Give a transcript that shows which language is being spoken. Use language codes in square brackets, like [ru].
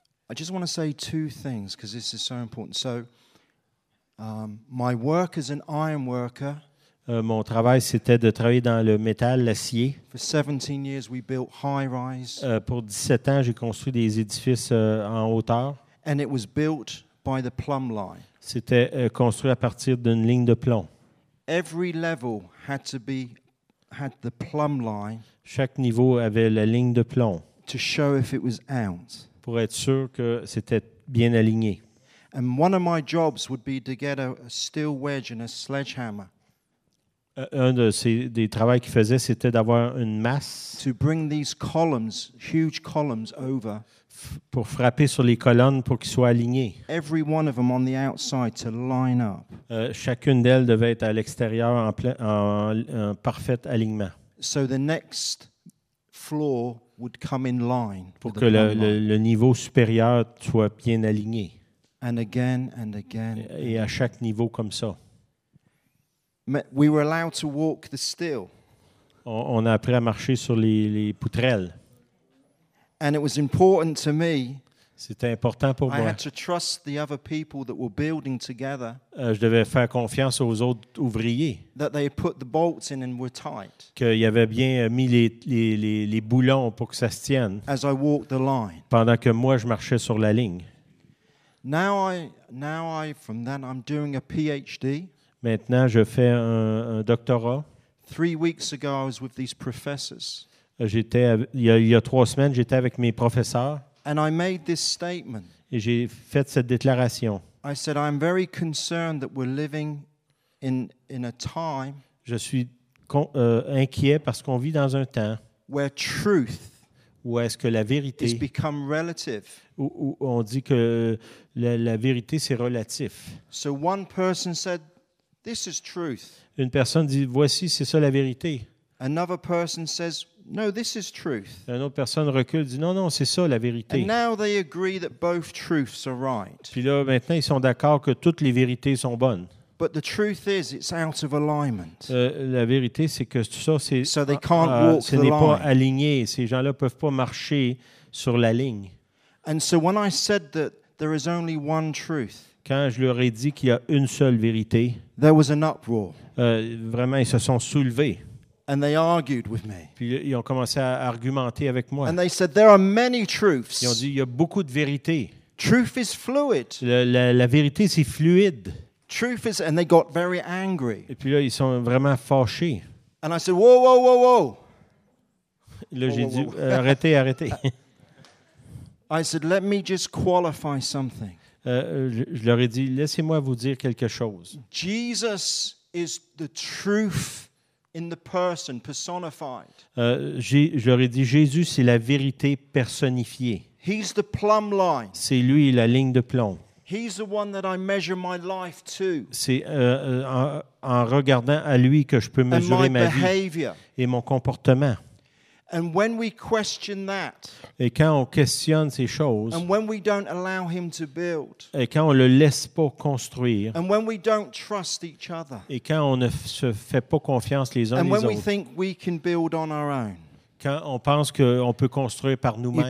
[en] I just want to say two things because this is so important. So, my work as an iron worker. [fr] Mon travail c'était de travailler dans le métal, l'acier. [en] For 17 years, we built high rise. [fr] Pour 17 ans, j'ai construit des édifices en hauteur. [en] And it was built by the plumb line. [fr] C'était construit à partir d'une ligne de plomb. [en] Every level had the plumb line. [fr] Chaque niveau avait la ligne de plomb. [en] To show if it was out. [fr] Pour être sûr que c'était bien aligné. [en] And one of my jobs would be to get a steel wedge and a sledgehammer. [fr] Un de ces des travaux qu'il faisait, c'était d'avoir une masse. [en] To bring these columns, huge columns, over. [fr] Pour frapper sur les colonnes pour qu'ils soient alignés. [en] Every one of them on the outside to line up. [fr] Chacune d'elles devait être à l'extérieur en parfait alignement. [en] So the next floor would come in line [fr] pour que le niveau supérieur soit bien aligné. [en] And again and again. [fr] Et à chaque niveau comme ça. [en] We were allowed to walk the steel. [fr] On a appris à marcher sur les poutrelles. [en] And it was important to me. [fr] C'était important pour moi. [en] I had to trust the other people that were building together. [fr] Je devais faire confiance aux autres ouvriers. [en] That they put the bolts in and were tight. [fr] Qu'ils avaient bien mis les boulons pour que ça se tienne. [en] As I walked the line. [fr] Pendant que moi je marchais sur la ligne. [en] Now I from then I'm doing a PhD. [fr] Maintenant je fais un doctorat. [en] 3 weeks ago I was with these professors. [fr] Il y a 3 semaines, j'étais avec mes professeurs. [en] And I made this statement. [fr] Et j'ai fait cette déclaration. [en] I said, I'm very concerned that we're living in a time. [fr] Je suis inquiet parce qu'on vit dans un temps. [en] Where truth. [fr] Où est-ce que la vérité. [en] Has become relative. [fr] Où on dit que la vérité c'est relatif. [en] So one person said, this is truth. [fr] Une personne dit, voici, c'est ça la vérité. [en] Another person says, no, this is truth. [fr] Une autre personne recule dit non, c'est ça la vérité. [en] And now they agree that both truths are right. [fr] Puis là, maintenant, ils sont d'accord que toutes les vérités sont bonnes. [en] But the truth is, it's out of alignment. [fr] La vérité, c'est que tout ça, c'est [en] so they can't walk [fr] ce n'est [en] the [fr] pas [en] line. [fr] Aligné. Ces gens-là peuvent pas marcher sur la ligne. [en] And so when I said that there is only one truth. [fr] Quand je leur ai dit qu'il y a une seule vérité. [en] There was an uproar. [fr] Vraiment, ils se sont soulevés. [en] And they argued with me. [fr] Puis ils ont commencé à argumenter avec moi. [en] And they said there are many truths. [fr] Ils ont dit il y a beaucoup de vérités. [en] Truth is fluid. [fr] La vérité c'est fluide. [en] Truth is, and they got very angry. [fr] Et puis là ils sont vraiment fâchés. [en] And I said whoa whoa whoa whoa. [fr] Là j'ai dit arrêtez. [en] I said let me just qualify something. [fr] Je leur ai dit laissez-moi vous dire quelque chose. [en] Jesus is the truth. In the person personified. [fr] J'aurais dit Jésus, c'est la vérité personnifiée. [en] He's the plumb line. [fr] C'est lui la ligne de plomb. [en] He's the one that I measure my life to. [fr] C'est en regardant à lui que je peux mesurer ma vie et mon comportement. [en] And when we question that, [fr] et quand on questionne ces choses, [en] and when we don't allow him to build, [fr] et quand on le laisse pas construire, [en] and when we don't trust each other, [fr] et quand on ne se fait pas confiance les uns les autres, [en] and when we think we can build on our own, [fr] quand on pense que on peut construire par nous-mêmes,